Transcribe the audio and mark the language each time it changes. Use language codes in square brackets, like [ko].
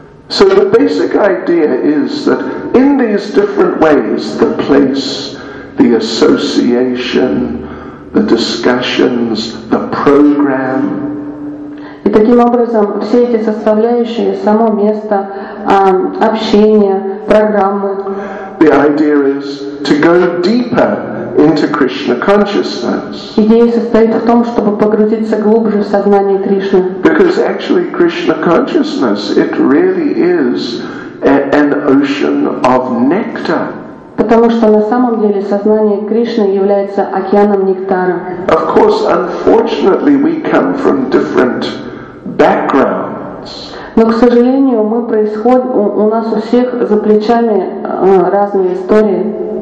[en] So the basic idea is that in these different ways, the place, the association, the discussions, the program. [ru] И таким образом все эти составляющие, само место, общение, программы. [en] The idea is to go deeper into Krishna consciousness. [ru] Идея состоит в том, чтобы погрузиться глубже в сознание Кришны. [en] Because actually Krishna consciousness, it really is an ocean of nectar. [ru] Потому что на самом деле сознание Кришны является океаном нектара. [en] Of course, unfortunately, we come from different backgrounds. [ru] Но, к сожалению, мы происходим, у нас у всех за плечами разные истории.